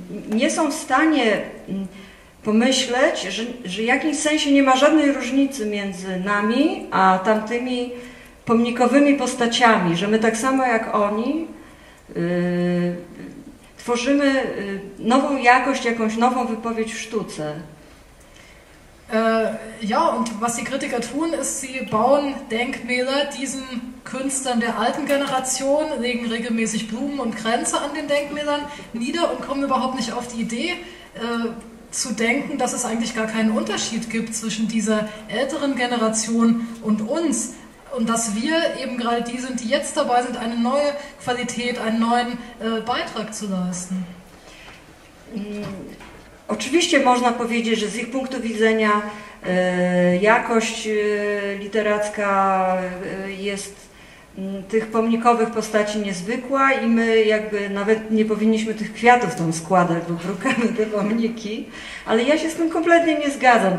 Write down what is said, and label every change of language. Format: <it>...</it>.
<pl>nie są w stanie pomyśleć, że w jakimś sensie nie ma żadnej różnicy między nami a tamtymi pomnikowymi postaciami, że my tak samo jak oni tworzymy nową jakość, jakąś nową wypowiedź w sztuce.</pl> <de>Ja, und was die Kritiker tun, ist, sie bauen Denkmäler diesen Künstlern der alten Generation, legen regelmäßig Blumen und Kränze an den Denkmälern nieder und kommen überhaupt nicht auf die Idee, zu denken, dass es eigentlich gar keinen Unterschied gibt zwischen dieser älteren Generation und uns und dass wir eben gerade die sind, die jetzt dabei sind, eine neue Qualität, einen neuen Beitrag zu leisten.</de> <pl>Oczywiście można powiedzieć, że z ich punktu widzenia jakość literacka jest tych pomnikowych postaci niezwykła i my jakby nawet nie powinniśmy tych kwiatów tam składać, bo brukamy te pomniki, ale ja się z tym kompletnie nie zgadzam.</pl>